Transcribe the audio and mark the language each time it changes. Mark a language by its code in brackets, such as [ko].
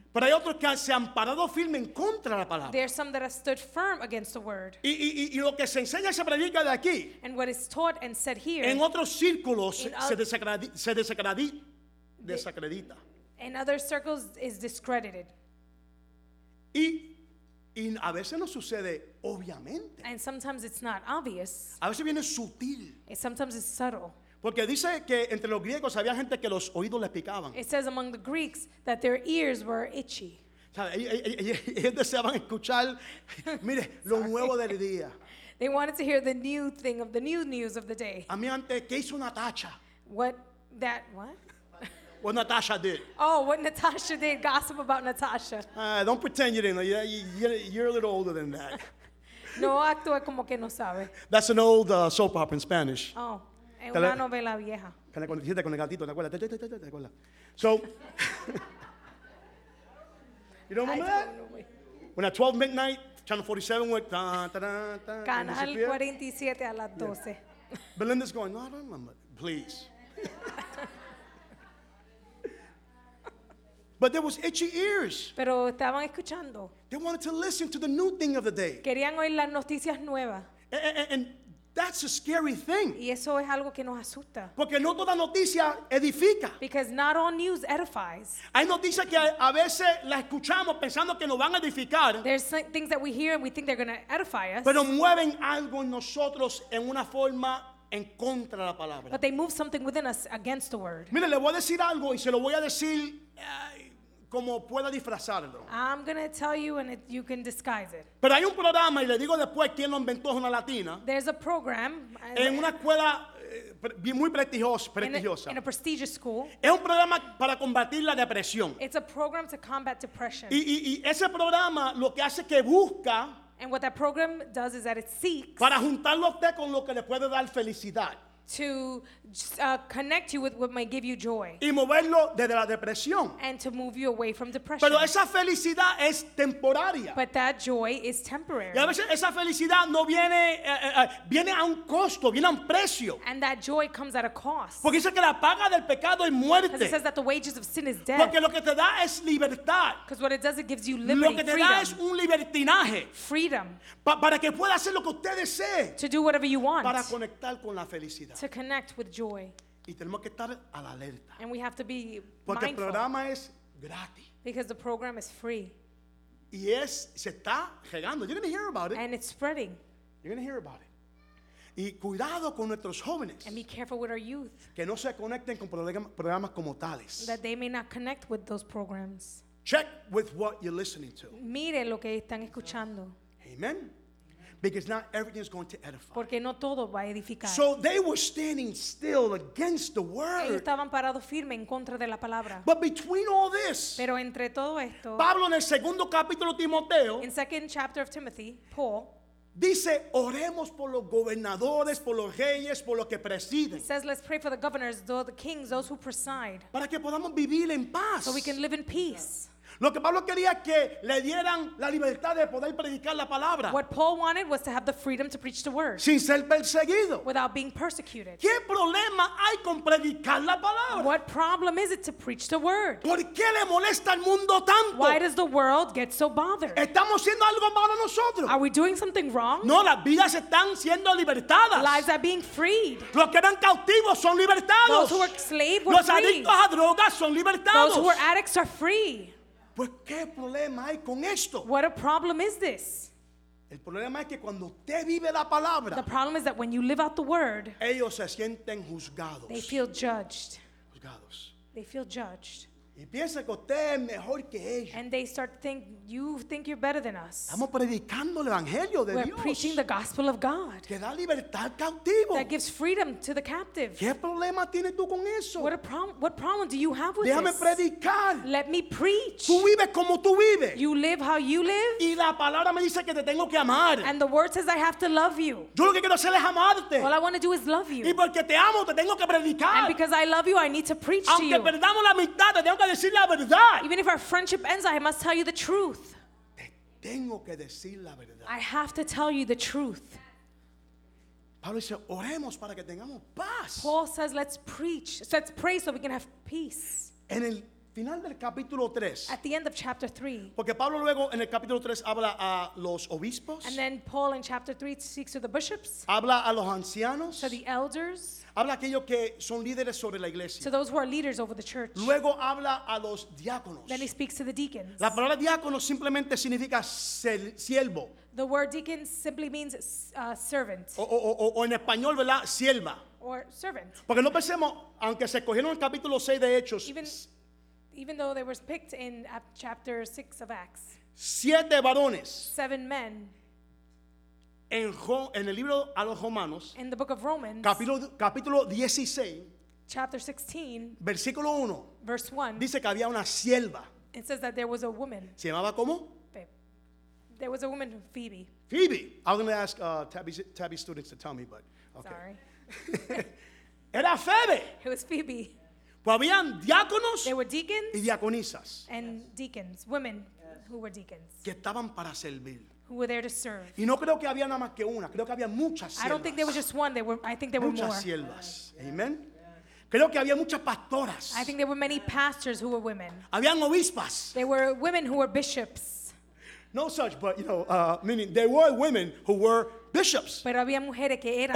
[es] Pero hay otros que se han parado firme en contra de la palabra. [en] There are some that have stood firm against the word. [es] Y lo que se enseña se predica de aquí. [en] And what is taught and said here. [es] En otros círculos se desacredita. [en] In other circles is discredited. [es] Y a veces no sucede obviamente. [en] And sometimes it's not obvious. [es] A veces viene sutil. [en] And sometimes it's subtle. [es] Porque dice que entre los griegos había gente que los oídos les picaban. [en] It says among the Greeks that their ears were itchy. [es] Ellos deseaban escuchar, mire, lo nuevo del día. [en] They wanted to hear the new thing of the new news of the day. [es] A mí antes, ¿qué hizo Natasha? [en] What Natasha did. Oh, what Natasha did. Gossip about Natasha. Don't pretend you didn't know. You're a little older than that. [es] No actúe como que no sabe. [en] That's an old soap opera in Spanish. [es] Oh, es una novela vieja. Que la conociste con el gatito, ¿te acuerdas? ¿Te acuerdas? [en] So, you don't remember that? When at 12 midnight, channel 47 went, [es] Canal 47 a las 12. [en] Yeah. Belinda's going, no, I don't remember. Please. But there was itchy ears. [es] Pero estaban escuchando. [en] They wanted to listen to the new thing of the day. [es] Querían oír las noticias nuevas. [en] And that's a scary thing. [es] Y eso es algo que nos asusta. Porque no toda noticia edifica. [en] Because not all news edifies. [es] Hay noticias que a veces las escuchamos pensando que nos van a edificar. [en] There's things that we hear and we think they're going to edify us. [es] Pero mueven algo en nosotros en una forma en contra de la palabra. [en] But they move something within us against the word. [es] Mire, le voy a decir algo y se lo voy a decir como pueda disfrazarlo. [en] I'm going to tell you and you can disguise it. [es] Pero hay un programa y le digo después quién lo inventó, una latina. [en] There's a program. [es] En una escuela muy prestigiosa. [en] In a prestigious school. [es] Es un programa para combatir la depresión. [en] It's a program to combat depression. [es] Y ese programa lo que hace es que busca. [en] And what that program does is that it seeks [es] para juntarlo a usted con lo que le puede dar felicidad. [en] to connect you with what might give you joy. [es] Y moverlo desde la depresión. [en] And to move you away from depression. [es] Pero esa felicidad es temporaria. [en] But that joy is temporary. [es] Y a veces esa felicidad no viene, viene a un costo, viene a un precio. [en] And that joy comes at a cost. [es] Porque dice que la paga del pecado es muerte. [en] Because it says that the wages of sin is death. [es] Porque lo que te da es libertad. [en] Because what it does, it gives you liberty. [es] Lo que te [en] freedom. [es] Da es un libertinaje. [en] Freedom. [es] Para que pueda hacer lo que usted desee. [en] To do whatever you want. [es] Para conectar con la felicidad. [en] To connect with joy. [es] Y tenemos que estar a la alerta. [en] And we have to be [es] porque [en] mindful. [es] El programa es gratis. [en] Because the program is free. [es] Y es, se está regando. [en] You're going to hear about it. And it's spreading. You're going to hear about it. [es] Y cuidado con nuestros jóvenes. [en] And be careful with our youth. [es] Que no se conecten con programas como tales. [en] That they may not connect with those programs. Check with what you're listening to. [es] Mire lo que están escuchando. [en] Amen. Because not everything is going to edify. [es] Porque no todo va a edificar. [en] So they were standing still against the word. [es] Ellos estaban parados firmes en contra de la palabra. [en] But between all this, [es] pero entre todo esto, Pablo en el segundo capítulo de Timoteo, [en] in second chapter of Timothy, Paul, [es] dice, oremos por los gobernadores, por los reyes, por los que presiden. [en] He says, let's pray for the governors, the kings, those who preside. [es] Para que podamos vivir en paz. [en] So we can live in peace. [es] Lo que Pablo quería que le dieran la libertad de poder predicar la palabra. [en] What Paul wanted was to have the freedom to preach the word. [es] Sin ser perseguido. [en] Without being persecuted. [es] ¿Qué problema hay con predicar la palabra? [en] What problem is it to preach the word? [es] ¿Por qué le molesta al mundo tanto? [en] Why does the world get so bothered? [es] ¿Estamos haciendo algo malo nosotros? [en] Are we doing something wrong? [es] No, las vidas están siendo libertadas. [en] Lives are being freed. [es] Los que eran cautivos son libertados. [en] Those who were slaves were [es] los [en] free. [es] Adictos a drogas son libertados. [en] Those who were addicts are free. [es] Pues qué problema hay con esto. [en] What a problem is this? [es] El problema es que cuando usted vive la palabra, [en] the problem is that when you live out the word, [es] ellos se sienten juzgados. [en] They feel judged. [es] Juzgados. [en] They feel judged. [es] Y piensa que usted es mejor que ellos. [en] And they start think you think you're better than us. [es] Estamos predicando el evangelio de [en] We're [es] Dios. [en] We're preaching the gospel of God. [es] Que da libertad al cautivo. [en] That gives freedom to the captive. [es] ¿Qué problema tienes tú con eso? [en] What problem do you have with [es] Déjame Déjame predicar. [en] Let me preach. [es] Tú vives como tú vives. [en] You live how you live. [es] Y la palabra me dice que te tengo que amar. [en] And the word says I have to love you. [es] Yo lo que quiero hacer es amarte. [en] All I want to do is love you. [es] Y porque te amo te tengo que predicar. [en] And because I love you I need to preach [es] Aunque [en] to you. [es] Aunque perdamos la mitad de [en] Even if our friendship ends, I must tell you the truth. [es] Te tengo que decir la verdad. [en] I have to tell you the truth. [es] Pablo dice, oremos para que tengamos paz. [en] Paul says, let's pray so we can have peace. [es] En el final del capítulo 3. [en] At the end of chapter 3. [es] Porque Pablo luego en el capítulo 3 habla a los obispos. [en] And then Paul in chapter 3 speaks to the bishops. [es] Habla a los ancianos. [en] To the elders. [es] Habla a aquellos que son líderes sobre la iglesia. [en] To those who are leaders over the church. [es] Luego habla a los diáconos. [en] Then he speaks to the deacons. [es] La palabra diácono simplemente significa siervo. [en] The word deacon simply means servant. [es] O en español, ¿verdad? Sierva. [en] Or servant. [es] Porque no pensemos, aunque se escogieron el capítulo 6 de Hechos. [en] Even though they were picked in chapter 6 of Acts. [es] Siete varones. [en] Seven men. [es] En el libro a los romanos. [en] In the book of Romans. [es] Capítulo 16. [en] Chapter 16. [es] Versículo 1. [en] Verse 1. [es] Dice que había una sierva. [en] It says that there was a woman. [es] ¿Se llamaba cómo? [en] There was a woman, Phoebe. Phoebe. I'm going to ask Tabby students to tell me, but. Okay. Sorry. [es] Era Phoebe. [en] It was Phoebe. [es] Pues habían diáconos [en] they were deacons [es] y diaconisas. [en] And yes. Deacons, women yes. Who were deacons. [es] Que estaban para servir. [en] Who were there to serve. [es] Y no creo que había nada más que una, creo que había muchas siervas. [en] I don't think there was just one, I think there were [es] muchas [en] more. [es] Muchas siervas, yes. Amen. Creo que había muchas pastoras. [en] I think there were many pastors who were women. [es] Habían obispas. [en] There were women who were bishops. No such, but you know, meaning there were women who were bishops. [es] Pero había mujeres que eran